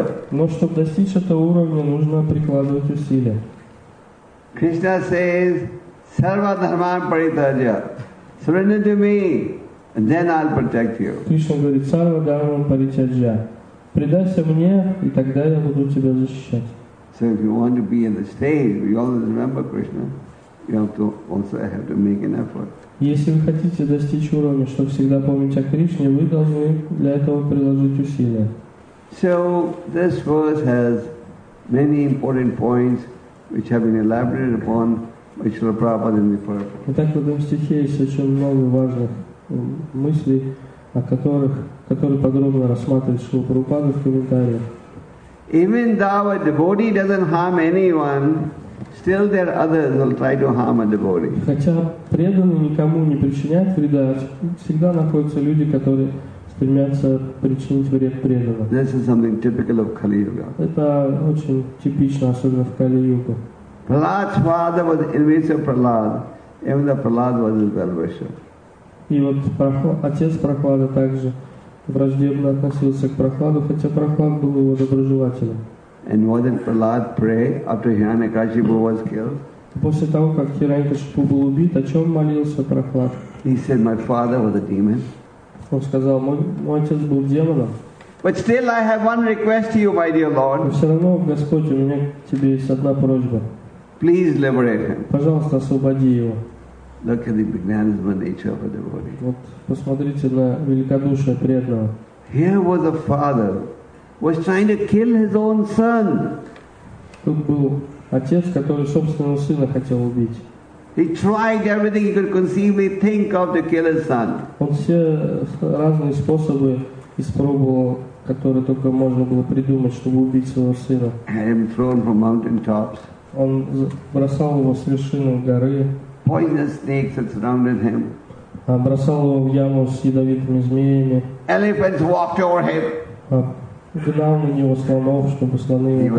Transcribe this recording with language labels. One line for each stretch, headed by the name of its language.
Russian: Но чтобы достичь этого уровня, нужно прикладывать усилия.
English: Krishna says,
Sanskrit: "Sarva dharman paritarja,
English: surrender to me, and then I'll protect you."
Russian: Кришна говорит:
Sanskrit: "Sarva dharman paritarja,
Russian: предайся мне, и тогда я буду тебя защищать."
English: So if you want to be in the stage, we always remember Krishna, you have to also have to make an effort.
Russian: Если вы хотите достичь уровня, чтобы всегда помнить о Кришне, вы должны для этого приложить усилия.
English: So this verse has many important points which have been elaborated upon by Srila Prabhupada in the purport.
Russian: Итак, в этом стихе есть очень много важных мыслей, о которые подробно рассматривает Шрила Прабхупада в комментариях.
English: Even though a devotee doesn't harm anyone, still there are others who will try to harm a devotee.
Russian: Хотя преданный никому не причиняет вреда, всегда находятся люди, которые стремятся причинить вред преданному.
English: This is something typical of Kali Yuga.
Russian: Это очень типично, особенно в Кали Юге.
English: Prahlad's father was envious of Prahlad, even though Prahlad was his well-wisher.
Russian: И вот отец Прахлада также враждебно относился к Прахладу, хотя Прахлад был его доброжелателем.
English: And wasn't Prahlad pray after Hiranyakashipu was killed?
Russian: После того, как Хираньякашипу был убит, о чем молился Прахлад?
English: He said, my father was a demon.
Russian: Он сказал: мой отец был демоном.
English: But still I have one request to you, my dear Lord.
Russian: Но все равно, Господь, у меня к тебе есть одна просьба.
English: Please liberate him.
Russian: Пожалуйста, освободи его.
English: Look at the magnanimous nature of a devotee.
Russian: Вот посмотрите на великодушие преданного.
English: Here was a father was trying to kill his own son.
Russian: Тут был отец, который собственного сына хотел убить.
English: He tried everything he could conceivably think of to kill his son.
Russian: Он все разные способы испробовал, которые только можно было придумать, чтобы убить своего сына.
English: Had him thrown from mountain tops.
Russian: Он бросал его с вершины горы.
English: Poisonous snakes that surrounded him.
Russian: Бросал его в яму с ядовитыми змеями.
English: Elephants walked over him.
Russian: Гнал на него слонов, чтобы слоны его